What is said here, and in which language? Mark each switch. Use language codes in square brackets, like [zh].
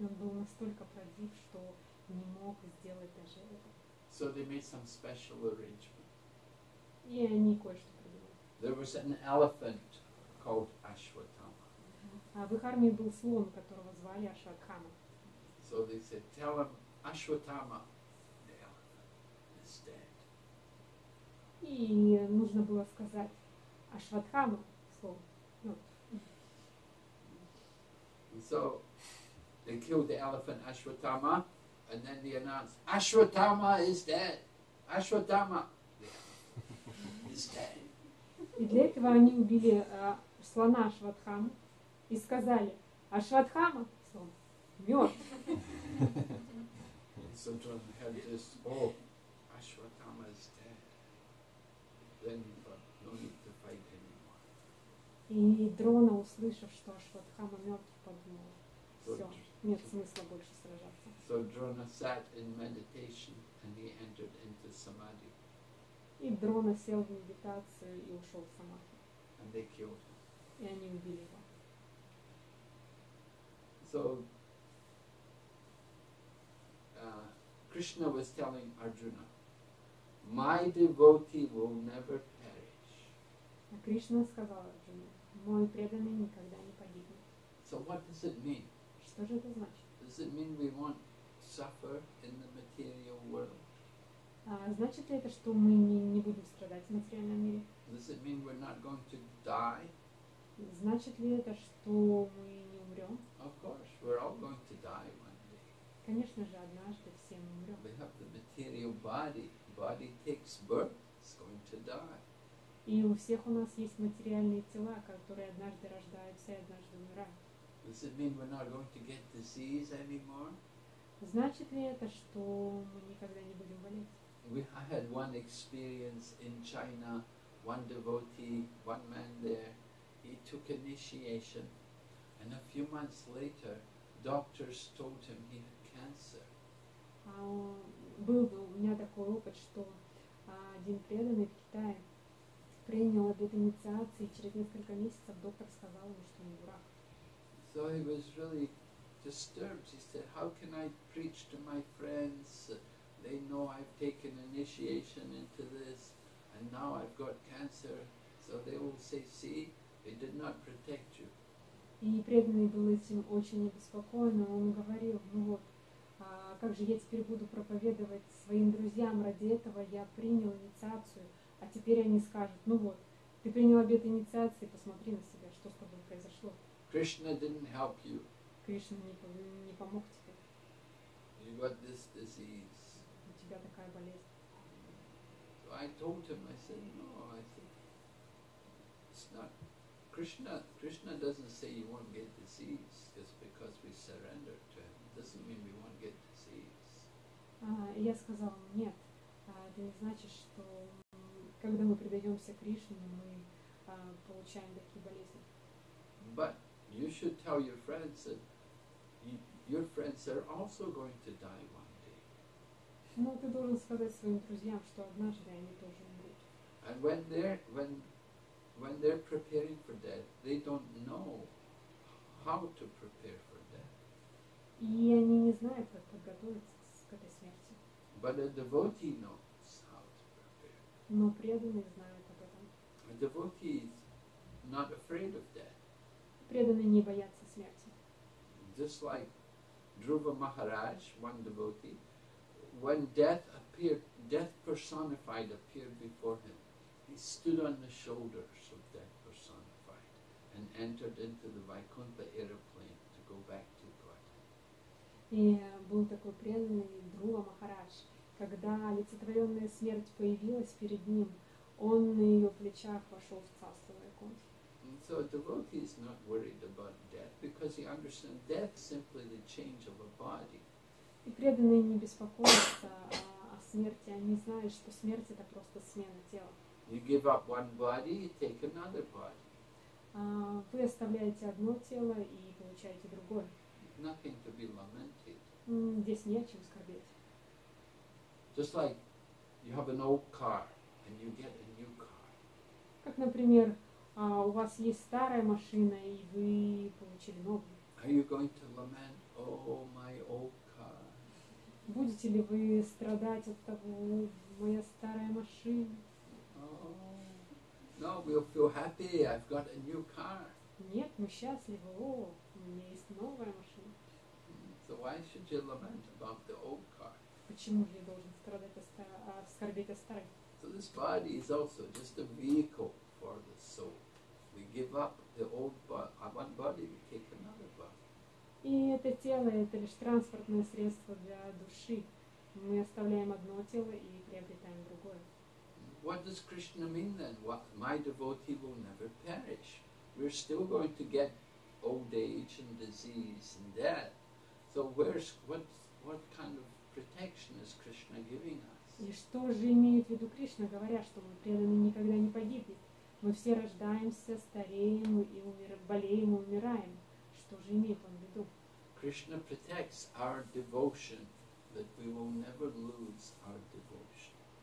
[ru] Он был настолько правдив, что не мог сделать даже это. [en] So they made some special arrangement. [ru] И они кое-что придумали. [en] There was an elephant called Ashwatthama. [ru] В их армии был слон, которого звали Ашватхама. [en] So they said, tell him Ashwatthama, the elephant is dead. [ru] И нужно было сказать Ашватхама, слон. [en] So they killed the elephant Ashwatthama, and then they announced, Ashwatthama is dead! Ashwatthama is dead. [ru] И для этого они убили слона Ашватхаму и сказали, Ашватхама, слон, мёртв. [en] So Drona heard this, oh, Ashwatthama is dead. Then no need to fight anymore. [ru] И Дрона, услышав, что Ашватхама мёртв, подумал, всё. Нет смысла больше сражаться. [en] So Drona sat in meditation and he entered into samadhi. [ru] И Дрона сел в медитацию и ушел в самадхи. [en] And they killed him. [ru] И они убили его. [en] So Krishna was telling Arjuna, my devotee will never perish. [ru] А Кришна сказал Арджуне, мой преданный никогда не погибнет. [en] So what does it mean? [ru] Что же это значит? [en] Does it mean we won't suffer in the material world? [ru] Значит ли это, что мы не будем страдать в материальном мире? [en] Does it mean we're not going to die? [ru] Значит ли это, что мы не умрем? [en] Of course, we're all going to die one day. [ru] Конечно же, однажды все мы умрем. [en] We have the material body. Body takes birth. It's going to die. [ru] И у всех у нас есть материальные тела, которые однажды рождаются и однажды умирают. [en] Does it mean we're not going to get disease anymore? [ru] Значит ли это, что мы никогда не будем болеть? [en] I had one experience in China. One devotee, one man there, he took took initiation, and a few months later, doctors told him he had cancer. [ru] Был у меня такой опыт, что один преданный в Китае принял обет инициации, и через несколько месяцев доктор сказал ему, что у него рак. [en] So he was really disturbed. He said, "How can I preach to my friends? They know I've taken initiation into this, and now I've got cancer. So they will say, 'See, they did not protect you.'" [ru] И преданный был этим очень обеспокоен. Он говорил: "Ну вот, как же я теперь буду проповедовать своим друзьям? Ради этого я принял инициацию, а теперь они скажут: 'Ну вот, ты принял обет инициации, посмотри на себя, что с тобой произошло.'" [en] Krishna didn't help you. [ru] Кришна не помог тебе. [en] You got this disease. [ru] У тебя такая болезнь. [en] So I told him, I said, no, I said, it's not. Krishna doesn't say you won't get disease just because we surrender to him. It doesn't mean we won't get disease. [ru] Я сказал: нет, это не значит, что когда мы предаемся Кришне, мы получаем такие болезни. [en] But you should tell your friends that your friends are also going to die one day. [ru] Ну, ты должен сказать своим друзьям, что однажды они тоже умрут. [en] And when they're preparing for death, they don't know how to prepare for death. [ru] И они не знают, как подготовиться к этой смерти. [en] But a devotee knows how to prepare. [ru] Но преданный знает об этом. [en] A devotee is not afraid of death. [ru] Преданные не боятся смерти. [en] Just like Dhruva Maharaj, one devotee, when death appeared, death personified appeared before him. He stood on the shoulders of death personified and entered into the Vaikuntha aeroplane to go back to Dwarka. [ru] И был такой преданный Друва Махарадж, когда олицетворенная смерть появилась перед ним, он на ее плечах вошел в царство Вайкунтхи. [en] So a devotee is not worried about death because he understands death is simply the change of a body. [ru] И преданные не беспокоятся о смерти, они знают, что смерть это просто смена тела. [en] You give up one body, you take another body. [ru] Вы оставляете одно тело и получаете другое. [en] Nothing to be lamented. [ru] Здесь не о чем скорбеть. [en] Just like you have an old car and you get a new car. [ru] Как, например, у вас есть старая машина, и вы получили новую. [en] Are you going to lament, oh, my old car? [ru] Будете ли вы страдать от того, моя старая машина? [en] Oh. No, we'll feel happy, I've got a new car. [ru] Нет, мы счастливы, о, у меня есть новая машина. [en] So why should you lament about the old car? [ru] Почему я должен страдать, скорбеть о старой? [en] So this body is also just a vehicle for the soul. We give up the old body, one body, we take another body. [ru] И это тело, это лишь транспортное средство для души. Мы оставляем одно тело и приобретаем другое. [en] What does Krishna mean then? What, my devotee will never perish. We're still going to get old age and disease and death. So where's what kind of protection is Krishna giving us? [ru] И что же имеет в виду Кришна, говоря, что мы преданные никогда не погибнем? Мы все рождаемся, стареем и болеем и умираем. Что же имеет он в виду? [en] Krishna protects our devotion, that we will never lose our devotion.